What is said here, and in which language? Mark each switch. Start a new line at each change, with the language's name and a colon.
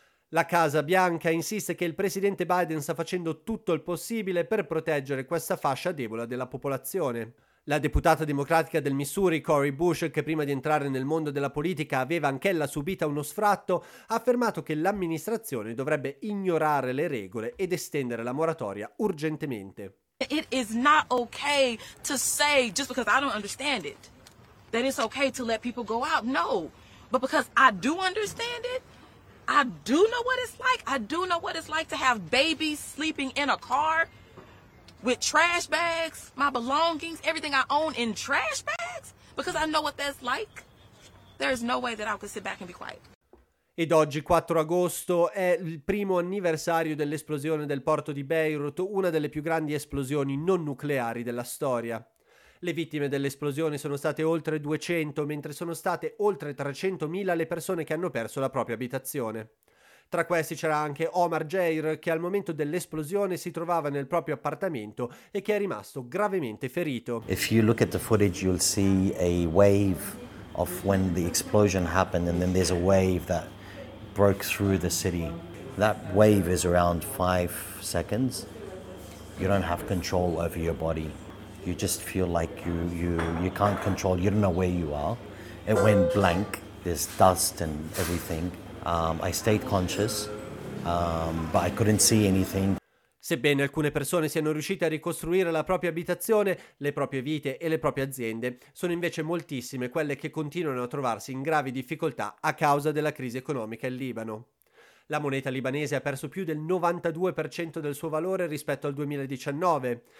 Italian: La Casa Bianca insiste che il presidente Biden sta facendo tutto il possibile per proteggere questa fascia debole della popolazione. La deputata democratica del Missouri, Cori Bush, che prima di entrare nel mondo della politica aveva anch'ella subita uno sfratto, ha affermato che l'amministrazione dovrebbe ignorare le regole ed estendere la moratoria urgentemente.
English: It is not okay to say, just because I don't understand it, that it's okay to let people go out. No, but because I do understand it, I do know what it's like. I do know what it's like to have babies sleeping in a car with trash bags, my belongings, everything I own in trash bags, because I know what that's like. There's no way that I could sit back and be quiet.
Italian: Ed oggi, 4 agosto, è il primo anniversario dell'esplosione del porto di Beirut, una delle più grandi esplosioni non nucleari della storia. Le vittime dell'esplosione sono state oltre 200, mentre sono state oltre 300.000 le persone che hanno perso la propria abitazione. Tra questi c'era anche Omar Jair, che al momento dell'esplosione si trovava nel proprio appartamento e che è rimasto gravemente ferito.
English: If you look at the footage, you'll see a wave of when the explosion happened, and then there's a wave that broke through the city. That wave is around 5 seconds. You don't have control over your body. You just feel like you can't control, you don't know where you are. It went blank, there's dust and everything. I stayed conscious, but I couldn't see anything.
Italian: Sebbene alcune persone siano riuscite a ricostruire la propria abitazione, le proprie vite e le proprie aziende, sono invece moltissime quelle che continuano a trovarsi in gravi difficoltà a causa della crisi economica in Libano. La moneta libanese ha perso più del 92% del suo valore rispetto al 2019.